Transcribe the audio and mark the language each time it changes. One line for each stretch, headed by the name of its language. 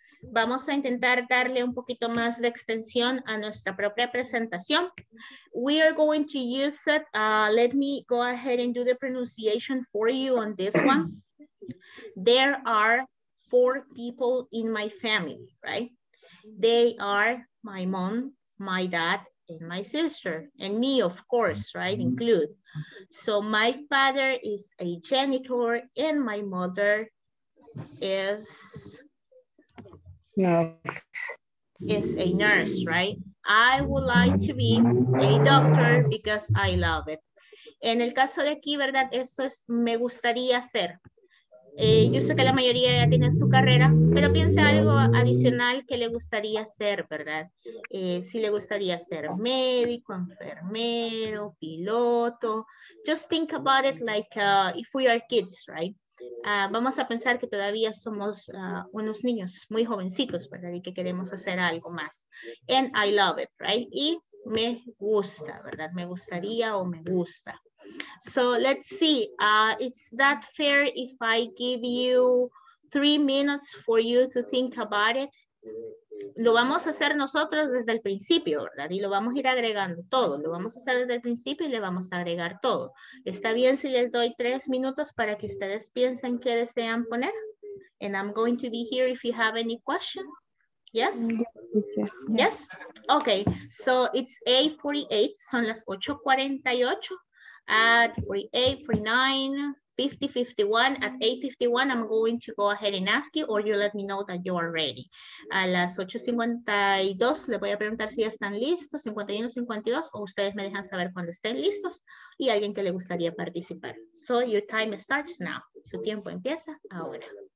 Spanish: Vamos a intentar darle un poquito más de extensión a nuestra propia presentación.
English: We are going to use it. Let me go ahead and do the pronunciation for you on this one. There are 4 people in my family, right? They are my mom, my dad, and my sister, and me, of course, right? Include. So my father is a janitor, and my mother is... is a nurse, right? I would like to be a doctor because I love it.
Spanish: En el caso de aquí, ¿verdad? Esto es me gustaría ser. Yo sé que la mayoría ya tiene su carrera, pero piense algo adicional que le gustaría ser, ¿verdad? Si le gustaría ser médico, enfermero, piloto.
English: Just think about it like if we are kids, right?
Spanish: Vamos a pensar que todavía somos unos niños muy jovencitos, ¿verdad? Y que queremos hacer algo más.
English: And I love it, right?
Spanish: Y me gusta, ¿verdad? Me gustaría o me gusta.
English: So let's see. Is that fair if I give you 3 minutes for you to think about it?
Spanish: Lo vamos a hacer nosotros desde el principio, ¿verdad? Y lo vamos a ir agregando todo. Lo vamos a hacer desde el principio y le vamos a agregar todo. ¿Está bien si les doy 3 minutos para que ustedes piensen qué desean poner?
English: And I'm going to be here if you have any question. Yes? Yes? Ok. So it's 8:48.
Spanish: Son las 8:48.
English: At 48, 49, 50, 51, at 8:51, I'm going to go ahead and ask you, or you let me know that you are ready.
Spanish: A las 8:52, le voy a preguntar si ya están listos, 51, 52, o ustedes me dejan saber cuando estén listos, y alguien que le gustaría participar.
English: So your time starts now.
Spanish: Su tiempo empieza ahora.